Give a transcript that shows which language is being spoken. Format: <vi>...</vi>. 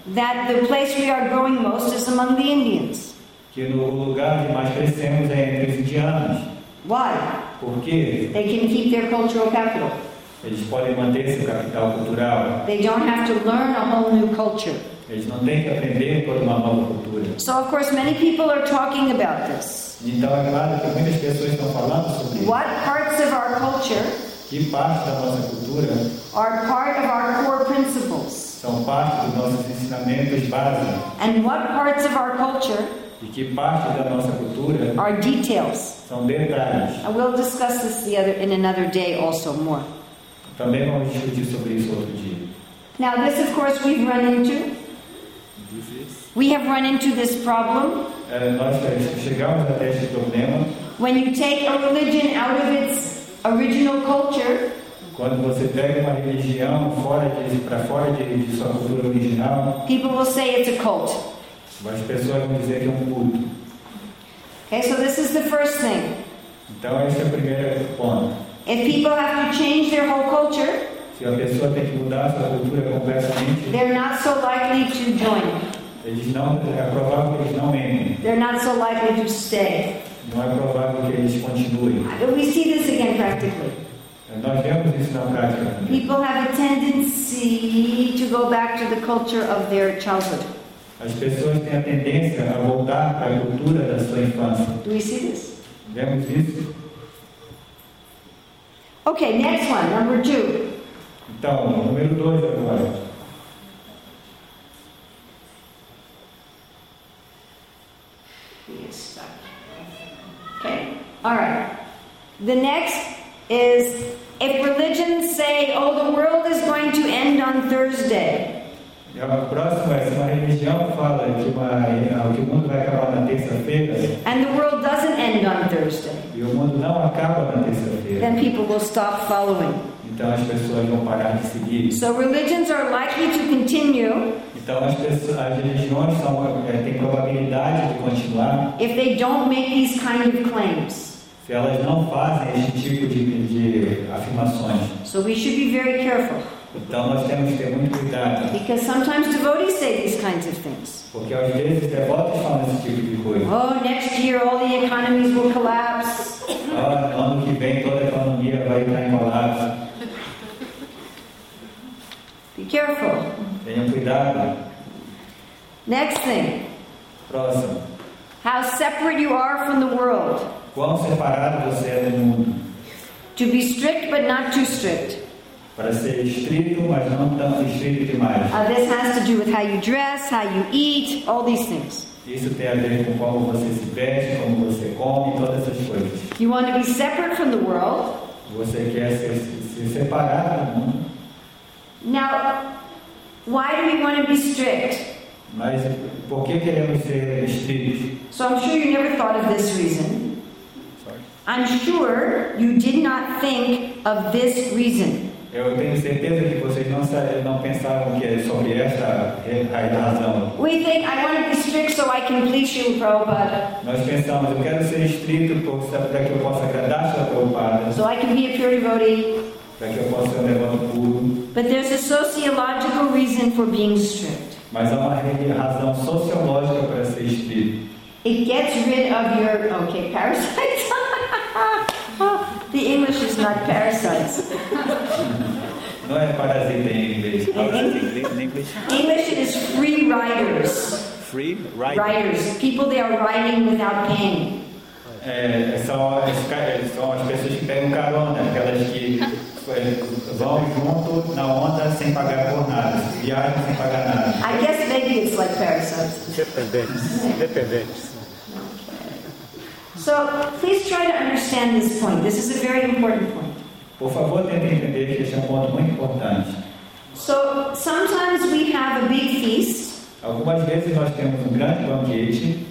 <en>That the place we are growing most is among the Indians.</en> <pt>Que no lugar onde mais crescemos é entre os indianos.</pt> <en>Why?</en> <pt>Porque</pt> <en>they can keep their cultural capital.</en> <pt>Eles podem manter seu capital cultural.</pt> <en>They don't have to learn a whole new culture.</en> <pt>Eles não têm que aprender toda uma nova cultura.</pt> <en>So of course many people are talking about this.</en> <pt>Então é claro que muitas pessoas estão falando sobre isso.</pt> <en>What parts of our culture?</en> <pt>Que parte da nossa cultura?</pt> <en>Are part of our core principles.</en> <pt>São parte dos nossos ensinamentos básicos.</pt> <en>And what parts of our culture?</en> <pt>E que parte da nossa cultura?</pt> <en>Are details.</en> <pt>São detalhes.</pt> <en>I will discuss this the other, in another day also more.</en> <pt>Também vamos discutir sobre isso outro dia.</pt> <en>Now this of course we've run into. We have run into this problem.</en> <pt>Nós chegamos até esse problema.</pt> <en>When you take a religion out of its original culture.</en> <pt>Quando você pega uma religião para fora de sua cultura original.</pt> <en>People will say it's a cult.</en> <pt>As pessoas vão dizer que é culto.</pt> <en>Okay, so this is the first thing.</en> <pt>Então esse é o primeiro ponto.</pt> <en>If people have to change their whole culture,</en> <pt>se a pessoa tem que mudar sua cultura completamente,</pt> <en>they're not so likely to join.</en> <pt>Eles não, é provável que eles não entrem.</pt> <en>They're not so likely to stay.</en> <pt>Não é provável que eles continuem.</pt> <en>We see this again practically.</en> <pt>Nós vemos isso na prática.</pt> <en>People have a tendency to go back to the culture of their childhood.</en> <pt>As pessoas têm a tendência a voltar para a cultura da sua infância.</pt> <en>Do we see this?</en> <pt>Vemos isso.</pt> <en>Okay, next one, number two.</en> <pt>Então, número dois agora.</pt> <en>Yes. Okay. All right. The next is if religions say, "Oh, the world is going to end on Thursday."</en> <pt>E a próxima é se uma religião fala que o mundo vai acabar na terça-feira.</pt> <en>And the world doesn't end on Thursday.</en> <pt>E o mundo não acaba na terça-feira.</pt> <en>Then people will stop following.</en> <pt>Então as pessoas vão parar de seguir.</pt> <en>So religions are likely to continue.</en> <pt>Então as religiões têm probabilidade de continuar.</pt> <en>If they don't make these kind of claims.</en> <pt>Se elas não fazem esse tipo de afirmações.</pt> <en>So we should be very careful.</en> <pt>Então nós temos que ter muito cuidado.</pt> <en>Because sometimes devotees say these kinds of things.</en> <pt>Porque às vezes os devotos falam esse tipo de coisa.</pt> <en>Oh, next year all the economies will collapse.</en> <pt>Ah, ano que vem toda a economia vai estar em colapso.</pt> <en>Be careful.</en> <pt>Tenham cuidado.</pt> <en>Next thing.</en> <pt>Próximo.</pt> <en>How separate you are from the world.</en> <pt>Quão separado você é do mundo.</pt> <en>To be strict but not too strict.</en> <pt>Para ser estrito, mas não tão estrito demais.</pt> <en>This has to do with how you dress, how you eat, all these things.</en> <pt>Isso tem a ver com como você se veste, como você come, todas essas coisas.</pt> <en>You want to be separate from the world.</en> <pt>Você quer se separar do mundo.</pt> <en>Now, why do we want to be strict?</en> <pt>Mas por que queremos ser estritos?</pt> <en>So I'm sure you never thought of this reason. Sorry. I'm sure you did not think of this reason.</en> <pt>Eu tenho certeza que vocês não pensavam que é sobre esta razão.</pt> <en>We think I want to be strict so I can please you, Prabhupada.</en> <pt>Nós pensamos, eu quero ser estrito para que eu possa agradar a Prabhupada.</pt> <en>So I can be a pure devotee.</en> <pt>Para que eu possa ser um devoto puro.</pt> <en>But there's a sociological reason for being strict.</en> <pt>Mas há uma razão sociológica para ser estrito.</pt> <en>It gets rid of your parasites. The English is not parasites.</en> <pt>Não é parasita em inglês.</pt> <en>English is free riders. Free riders. Riders. People they are riding without paying.</en> <pt>São as pessoas que pegam carona, aquelas que vão junto na onda sem pagar por nada, viajam sem pagar nada.</pt> <en>I guess maybe it's like parasites.</en> <pt>Dependentes.</pt> <en>So please try to understand this point. This is a very important point.</en> <pt>Por favor, tente entender que esse é um ponto muito importante.</pt> <en>So sometimes we have a big feast.</en> <pt>Algumas vezes nós temos um grande banquete.</pt>